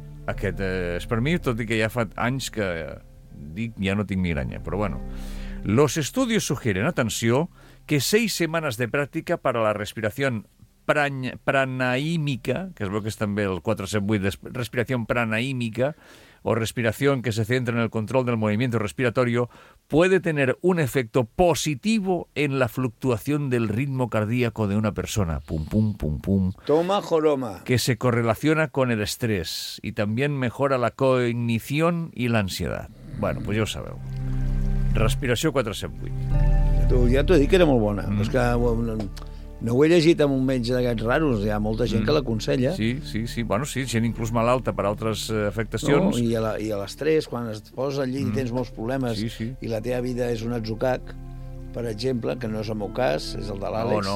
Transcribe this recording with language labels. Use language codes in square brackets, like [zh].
[ca] Aquest és per mi, tot i que ja fa anys que dic ja no tinc migraña. Però bueno. [es] Los estudios sugieren, atenció, que 6 semanas de práctica para la respiración pranaímica, [ca] que es veu que és també el 478, [es] respiración pranaímica, o respiración que se centra en el control del movimiento respiratorio, puede tener un efecto positivo en la fluctuación del ritmo cardíaco de una persona. Pum, pum, pum, pum. Toma joroma. Que se correlaciona con el estrés y también mejora la cognición y la ansiedad. Bueno, pues ya lo sabeu. Respiración 478. Ya te dije que era muy buena. Es que... [ca] No ho he llegit amb un metge d'aquests raros, hi ha molta gent que l'aconsella. Sí. Bueno, sí, gent inclús malalta per altres afectacions. No, i a l'estrès, quan et poses allí i tens molts problemes i la teva vida és un atzucac, per exemple, que no és el meu cas, és el de l'Àlex.